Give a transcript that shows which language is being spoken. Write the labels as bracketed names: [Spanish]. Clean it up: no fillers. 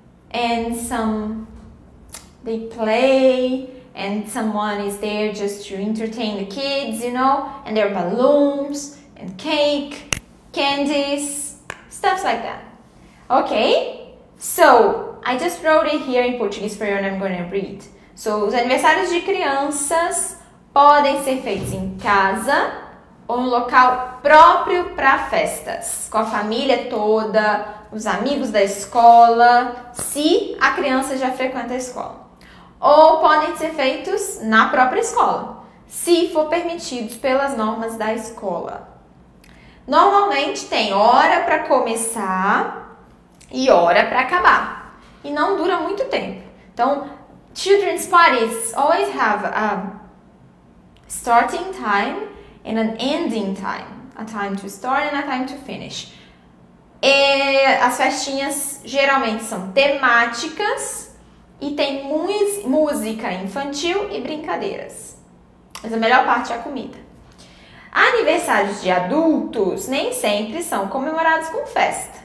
[English] And some they play. And someone is there just to entertain the kids, you know. And there are balloons. And cake, candies, stuff like that. Okay, so I just wrote it here in Portuguese for you and I'm going to read. [Portuguese] So, os aniversários de crianças podem ser feitos em casa ou no local próprio para festas, com a família toda, os amigos da escola, se a criança já frequenta a escola. Ou podem ser feitos na própria escola, se for permitidos pelas normas da escola. Normalmente tem hora para começar e hora para acabar. E não dura muito tempo. Então, [English] children's parties always have a starting time and an ending time. A time to start and a time to finish. [Portuguese] E as festinhas geralmente são temáticas e tem música infantil e brincadeiras. Mas a melhor parte é a comida. Aniversários de adultos nem sempre são comemorados com festa.